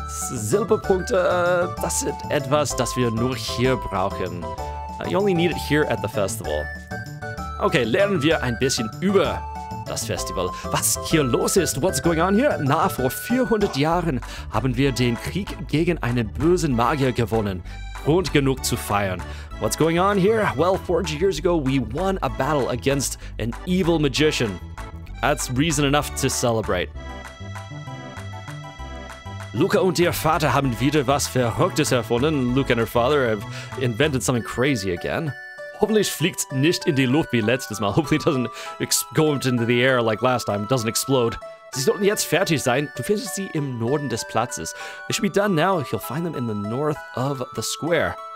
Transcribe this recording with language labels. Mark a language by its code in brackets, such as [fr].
[de] Silberpunkte, das ist etwas, das wir nur hier brauchen. [en] You only need it here at the festival. [de] Okay, lernen wir ein bisschen über das Festival. Was hier los ist? [en] What's going on here? [de] Na, vor 400 Jahren haben wir den Krieg gegen einen bösen Magier gewonnen. Grund genug zu feiern. [en] What's going on here? Well, 400 years ago, we won a battle against an evil magician. That's reason enough to celebrate. [de] Luca und ihr Vater haben wieder was Verrücktes erfunden. [en] Luca and her father have invented something crazy again. [de] Hopefully fliegt nicht in die Luft wie letztes Mal. [en] Hopefully it doesn't go into the air like last time. It doesn't explode. [de] Sie sollten jetzt fertig sein. Du findest sie im Norden des Platzes. [en] It should be done now. You'll find them in the north of the square.